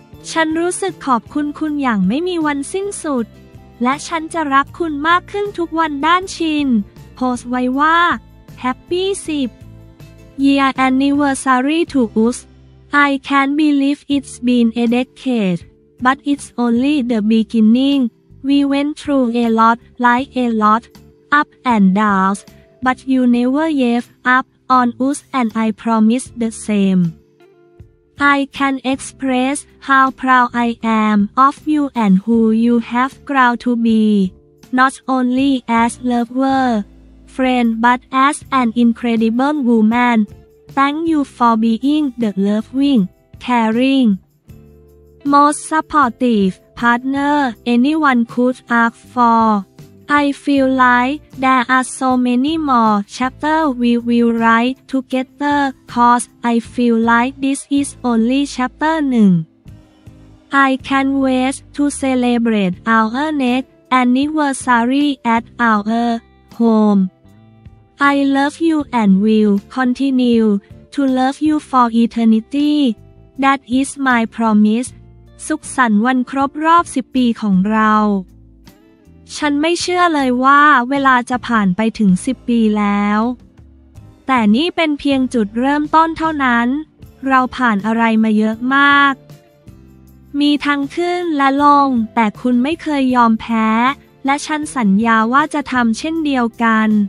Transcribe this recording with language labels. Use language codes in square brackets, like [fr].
[th] ฉันรู้สึกขอบคุณคุณอย่างไม่มีวันสิ้นสุดและฉันจะรักคุณมากขึ้นทุกวันด้านชินโพสต์ไว้ว่า [en] Happy 10 Year Anniversary to us I can't believe it's been a decade but it's only the beginning we went through a lot like a lotUp and downs, but you never gave up on us and I promise the same. I can express how proud I am of you and who you have grown to be, not only as lover, friend but as an incredible woman. Thank you for being the loving, caring, most supportive partner anyone could ask for. I feel like there are so many more chapters we will write together cause I feel like this is only chapter 1. I can't wait to celebrate our next anniversary at our home. I love you and will continue to love you for eternity. That is my promise. [th] สุขสันต์วันครบรอบ10ปีของเราฉันไม่เชื่อเลยว่าเวลาจะผ่านไปถึง10ปีแล้วแต่นี่เป็นเพียงจุดเริ่มต้นเท่านั้นเราผ่านอะไรมาเยอะมากมีทั้งขึ้นและลงแต่คุณไม่เคยยอมแพ้และฉันสัญญาว่าจะทำเช่นเดียวกัน